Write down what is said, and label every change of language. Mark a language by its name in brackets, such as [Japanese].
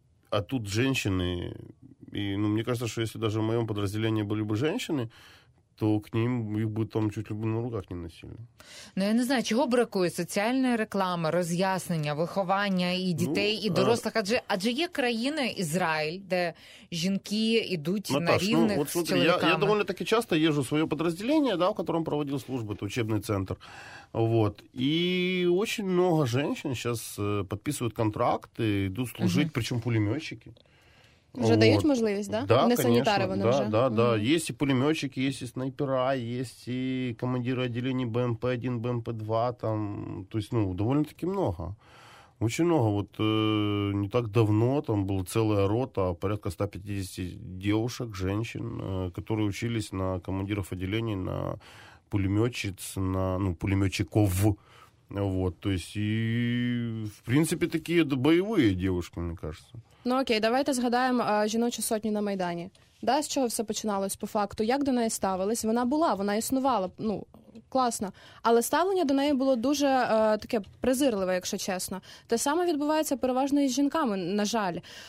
[Russian] А тут женщины, и, ну, мне кажется, что если даже в моем подразделении были бы женщины, то к ним их бы там чуть ли бы на руках не носили. [Ukrainian] Ну, я не знаю, чего бракує? Соціальної реклами, роз'яснення, виховання і дітей, ну, і дорослих. Адже є країни, Ізраїль, де жінки йдуть, Наташ, на рівних, [Russian] ну, от, смотри, [Ukrainian] з чоловіками. Я довольно таки часто їжу в своє підрозділення, да, в якому проводив службу, це [Russian] учебний центр. [Ukrainian] Вот. І дуже багато жінок зараз підписують контракти, йдуть служити, причому пулеметчики. Уже дают можливість, да? [Russian] Да, не конечно, санитары вон да, уже. Да, да, да. Есть и пулеметчики, есть и снайпера, есть и командиры отделений БМП-1, БМП-2, там. То есть, ну, довольно-таки много. Очень много. Вот не так давно там была целая рота, порядка 150 девушек, женщин, которые учились на командиров отделений, на пулеметчиц, на, ну, пулеметчиков. Вот, то есть, и, в принципе, такие боевые девушки, мне кажется. [Ukrainian] Ну окей, давайте згадаємо жіночу сотню на Майдані. Да, з чого все починалось по факту? Як до неї ставились? Вона була, вона існувала, ну, класно. Але ставлення до неї було дуже таке презирливе, якщо чесно. Те саме відбувається переважно із жінками, на жаль.